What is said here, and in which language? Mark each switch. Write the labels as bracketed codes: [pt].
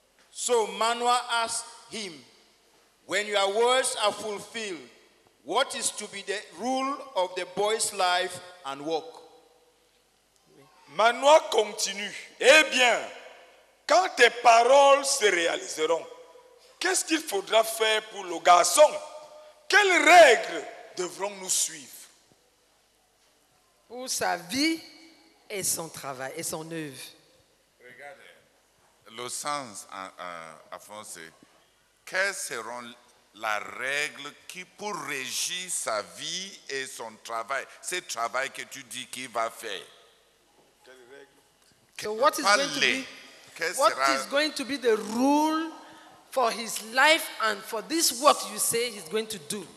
[en] So Manoah asked him, when your words are fulfilled, what is to be the rule of the boy's life and work? [fr] Manoah continue. Eh bien, quand tes paroles se réaliseront, qu'est-ce qu'il faudra faire pour le garçon? Quelles règles devrons-nous suivre? Pour sa vie et son travail et son œuvre. Regardez, le sens à fond, c'est quelles seront la règle qui pour régir sa vie et son travail, ce travail que tu dis qu'il va faire. Quelle règle? [en] What is going to be the rule for his life and for this work you say he's going to do?